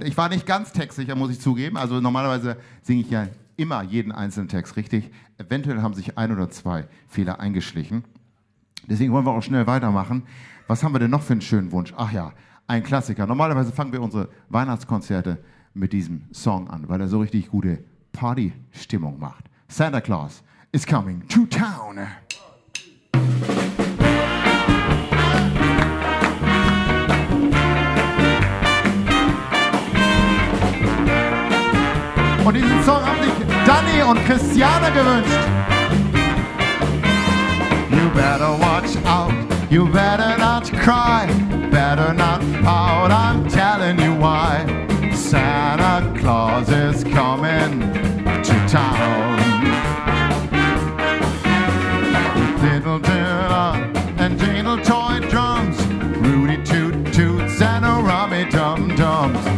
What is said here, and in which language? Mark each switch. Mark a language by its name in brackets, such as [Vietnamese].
[German] Ich war nicht ganz textsicher, muss ich zugeben. Also normalerweise singe ich ja immer jeden einzelnen Text richtig. Eventuell haben sich ein oder zwei Fehler eingeschlichen. Deswegen wollen wir auch schnell weitermachen. Was haben wir denn noch für einen schönen Wunsch? Ach ja, ein Klassiker. Normalerweise fangen wir unsere Weihnachtskonzerte mit diesem Song an, weil er so richtig gute Party-Stimmung macht. [English] Santa Claus is coming to town. [German] Und diesen Song haben sich Danny und Christiane gewünscht. [English] You better watch out, you better not cry, better not pout, I'm telling you why. Santa Claus is coming to town. Diddle diddle and jingle toy drums, rooty toot toots and a rummy dum dums.